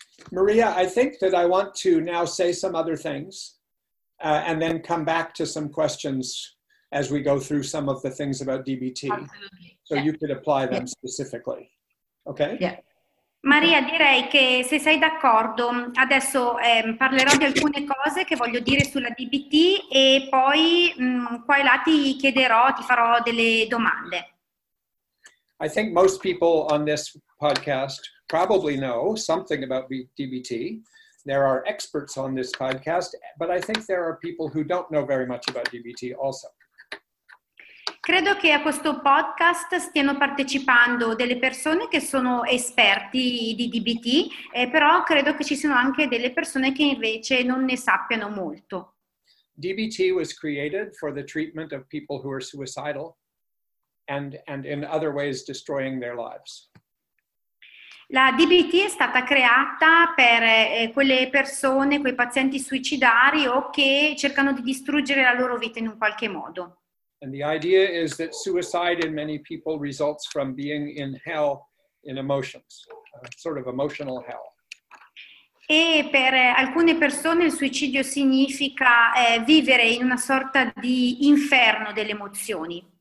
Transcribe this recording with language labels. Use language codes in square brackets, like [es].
[en] Maria, I think that I want to now say some other things and then come back to some questions as we go through some of the things about DBT. Absolutely. So yeah. You could apply them specifically. Okay? Yeah. [it] Maria, direi che se sei d'accordo, adesso parlerò di alcune cose che voglio dire sulla DBT e poi qua e là ti farò delle domande. [en] I think most people on this podcast probably know something about DBT. There are experts on this podcast, but I think there are people who don't know very much about DBT also. [it] Credo che a questo podcast stiano partecipando delle persone che sono esperti di DBT, però credo che ci siano anche delle persone che invece non ne sappiano molto. [en] DBT was created for the treatment of people who are suicidal and in other ways destroying their lives. [it] La DBT è stata creata per quelle persone, quei pazienti suicidari o che cercano di distruggere la loro vita in un qualche modo. [en] And the idea is that suicide in many people results from being in hell in emotions, sort of emotional hell. [it] E per alcune persone il suicidio significa vivere in una sorta di inferno delle emozioni.